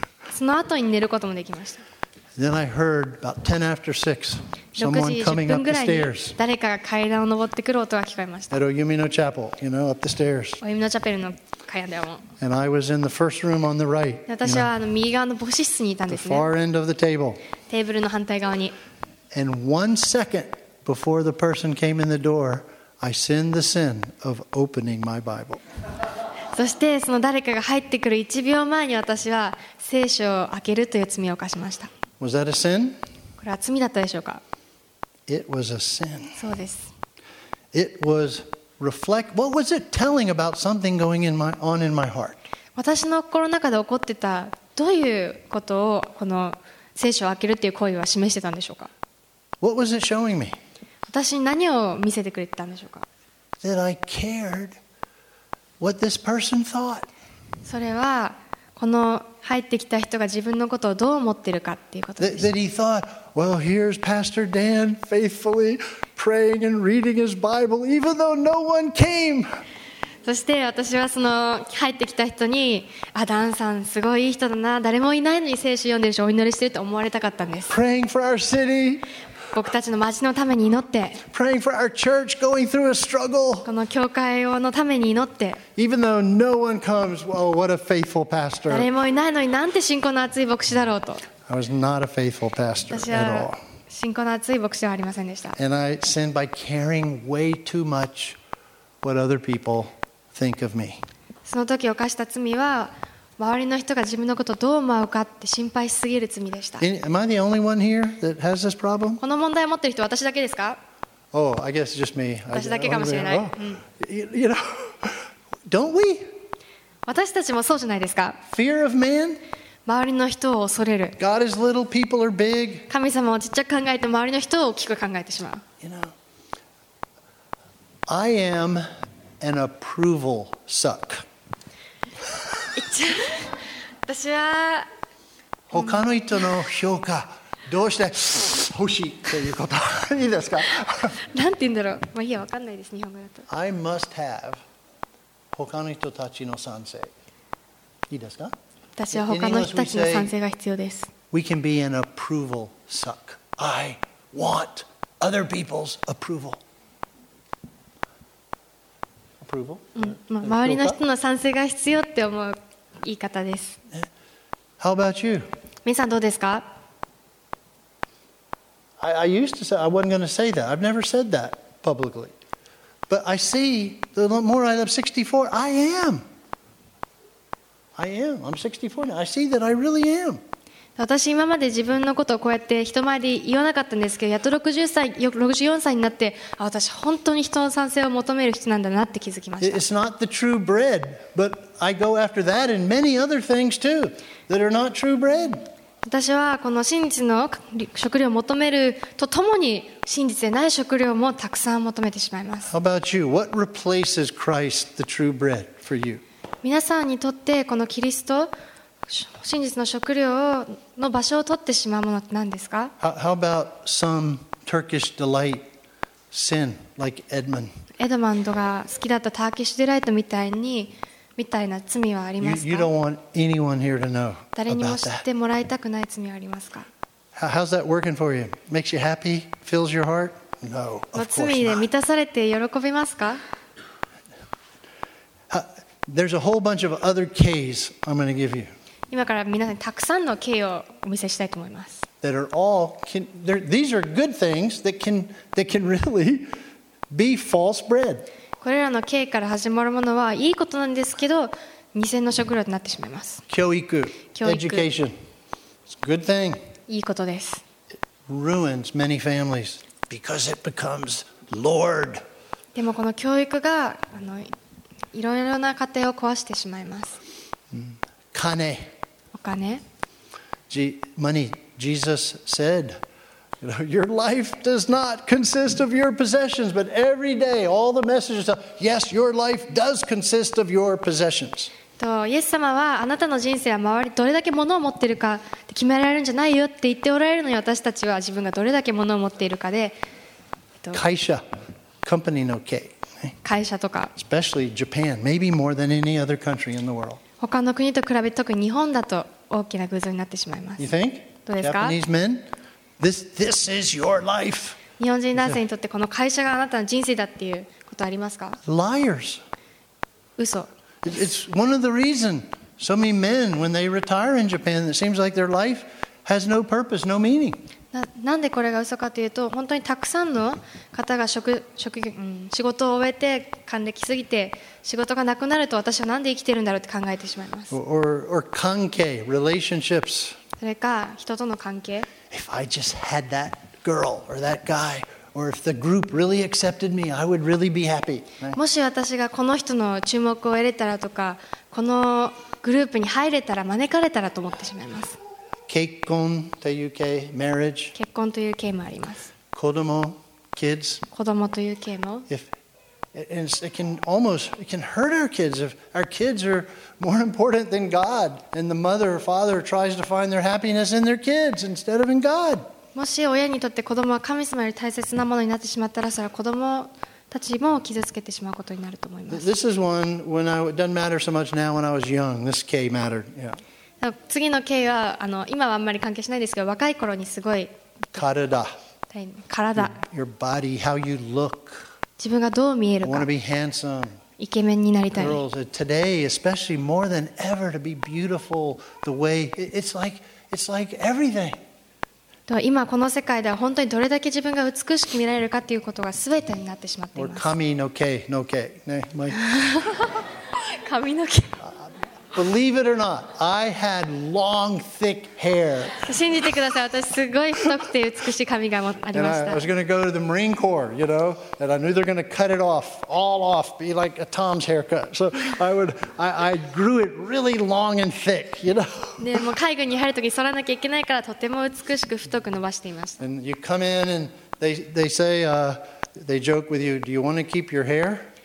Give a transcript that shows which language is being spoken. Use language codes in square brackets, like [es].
[ja] その後に寝ることもできました。 [en] Then I heard about 10 after 6, someone coming up the stairs. [ja] 誰かが階段を登ってくる音が聞こえました。 [en] At Oyumino Chapel, you know, up the stairs. [ja] おゆみのチャペルの階段でも。 [en] And I was in the first room on the right. [ja] 私はあの右側の母子室にいたんですね。 [en] The far end of the table. [ja] テーブルの反対側に。 [en] And one second before the person came in the door, I sin the sin of opening my Bible. [ja] そしてその誰かが入ってくる1秒前に私は聖書を開けるという罪を犯しました。 [en] Was that a sin? [ja] これは罪だったでしょうか? [en] It was a sin. [ja] そうです。 [en] It was reflect. What was it telling about something going in my, on in my heart? [ja] 私の心の中で起こってたどういうことをこの聖書を開けるという行為は示してたんでしょうか? [en] What was it showing me? [ja] 私に何を見せてくれてたんでしょうか? [en] That I cared. What this person thought. [ja] それはこの入ってきた人が自分のことをどう思ってるかっていうことです。 [en] That he thought, well, here's Pastor Dan faithfully praying and reading his Bible, even though no one came. [ja] そして私はその入ってきた人に、あ、ダンさんすごいいい人だな、誰もいないのに聖書読んでるし、お祈りしてると思われたかったんです。 [en] Praying for our city. [ja] 僕たちの町のために祈って [en] Praying for our church going through a struggle. [ja] この教会のために祈って [en] Even though no one comes, well, what a faithful pastor. [ja] 誰もいないのになんて信仰の厚い牧師だろうと [en] I was not a faithful pastor at all. [ja] 私は信仰の厚い牧師ではありませんでした。 [en] And I sinned by caring way too much what other people think of me. [ja] その時犯した罪は周りの人が自分のことをどう思うかって心配しすぎる罪でした。 [en] Am I the only one here that has this problem? [ja] この問題を持ってる人は私だけですか? [en] Oh, I guess just me. [ja] 私だけかもしれない。 [en] Well, you know, don't we? [ja] 私たちもそうじゃないですか? [en] Fear of man? [ja] 周りの人を恐れる。 [en] God is little, people are big. [ja] 神様をちっちゃく考えて周りの人を大きく考えてしまう。 [en] You know, I am an approval suck. [ja] 私は他の人の評価どうして欲しいということいいですか？なんて言うんだろう。まあいいや、わかんないです日本語だと。 [en] I must have [ja] 他の人たちの賛成いいですか？私は他の人たちの賛成が必要です。 [en] We can be an approval suck. I want other people's approval. [ja] うん、周りの人の賛成が必要って思う言い方です。 [en] How about you? [ja] 皆さんどうですか? [en] I used to say I wasn't going to say that. I've never said that publicly. But I see the more I love 64, I am. I am. I'm 64 now. I see that I really am. [ja] 私今まで自分のことをこうやって人前で言わなかったんですけど、やっと64歳になって、あ、私本当に人の賛成を求める人なんだなって気づきました。 [en] It's not the true bread, but I go after that and many other things too that are not true bread. [ja] 私はこの真実の食料を求めるとともに、真実でない食料もたくさん求めてしまいます。 [en] How about you? What replaces Christ, the true bread, for you? [ja] 皆さんにとってこのキリスト真実の食料の場所を取ってしまうものって何ですか? [en] How about some Turkish delight sin like Edmund? [ja] エドマンドが好きだったターキッシュデライトみたいな罪はありますか? [en] You don't want anyone here to know about that. [ja] 誰にも知ってもらいたくない罪はありますか? [en] How's that working for you? Makes you happy? Fills your heart? No, of course not. [ja] 罪で満たされて喜びますか? [en] There's a whole bunch of other K's I'm going to give you. [ja] 今から皆さんにたくさんの K をお見せしたいと思います。 [en] That are all can, these are good things that can really be false bread. [ja] これらの K から始まるものはいいことなんですけど、偽の食料となってしまいます。教育 education. [en] It's a good thing. [ja] いいことです。 [en] It ruins many families because it becomes Lord. [ja] でもこの教育がいろいろな家庭を壊してしまいます。金。お金。 [en] Money. Jesus said, "Your life does not consist of your possessions." But every day, all the messages are, "Yes, your life does consist of your possessions." [ja] と、イエス様はあなたの人生は周りどれだけ物を持っているかって決められるんじゃないよって言っておられるのに、私たちは自分がどれだけ物を持っているかで、会社、company の K。会社とか [en] especially Japan, maybe more than any other country in the world. [ja] 他の国と比べ特に日本だと大きな偶像になってしまいます。 [en] You think? [ja] どうですか? [en] Japanese men, this is your life. [ja] 日本人男性にとってこの会社があなたの人生だっていうことありますか? [en] Liars. [ja] 嘘。 [en] It's one of the reasons so many men, when they retire in Japan, it seems like their life has no purpose, no meaning. [ja] なんでこれが嘘かというと、本当にたくさんの方が仕事を終えて還暦すぎて仕事がなくなると私はなんで生きてるんだろうって考えてしまいます。 or 関係、relationships、それか人との関係。 [en] If I just had that girl or that guy or if the group really accepted me, I would really be happy、 right? [ja] もし私がこの人の注目を得れたらとか、このグループに入れたら、招かれたらと思ってしまいます。結婚という系、marriage、結婚という系もあります。子供、kids、子供という系も。 [en] If it can almost it can hurt our kids if our kids are more important than God and the mother or father tries to find their happiness in their kids instead of in God。 [ja] もし親にとって子供は神様より大切なものになってしまったら、それは子供たちも傷つけてしまうことになると思います。 [en] This is one when I doesn't matter so much now. When I was young, this K mattered. Yeah. [ja] 次の経緯は今はあんまり関係しないですけど、若い頃にすごい [en] 体 your body, how you look. [ja] 自分がどう見えるか、 [en] I want to be handsome. [ja] イケメンになりたい。 [en] Girls, today, especially more than ever, to be beautiful the way it's like everything. [ja] 今この世界では本当にどれだけ自分が美しく見られるかということが全てになってしまっています。神の毛、の毛、ね、マイク。髪の毛。 [en] Believe it or not, I had long, thick hair. [ja] 信じてください。私すごい太くて美しい髪がありました。 [en] I was going to go to the Marine Corps, you know, and I knew they're going to cut it off, all off, be like a Tom's haircut. So I grew it really long and thick, you know. [ja] でも海軍に入るとき剃らなきゃいけないから、とても美しく太く伸ばしていました。 [en] And you come in and they say, they joke with you, do you want to keep your hair?